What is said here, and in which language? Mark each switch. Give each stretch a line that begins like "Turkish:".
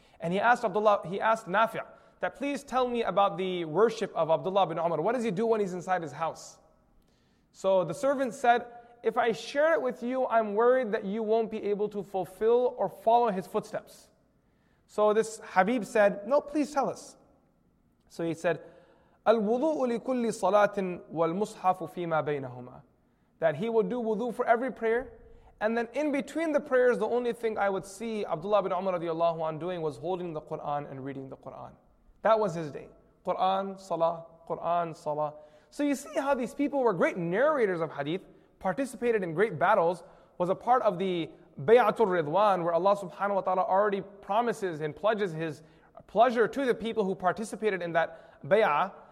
English: And he asked Nafi' that, please tell me about the worship of Abdullah bin Umar. What does he do when he's inside his house? So the servant said, if I share it with you, I'm worried that you won't be able to fulfill or follow his footsteps. So this Habib said, no, please tell us.
Arabic: So he said, الْوُضُوءُ لِكُلِّ صَلَاةٍ وَالْمُصْحَفُ فِي مَا بَيْنَهُمَا.
English: That he would do wudu for every prayer. And then in between the prayers, the only thing I would see Abdullah bin Umar radiallahu anhu doing was holding the Qur'an and reading the Qur'an. That was his day. Qur'an, salah, Qur'an, salah. So you see how these people were great narrators of hadith, participated in great battles, was a part of the Bay'atul Ridwan, where Allah subhanahu wa ta'ala already promises and pledges his pleasure to the people who participated in that bay'ah.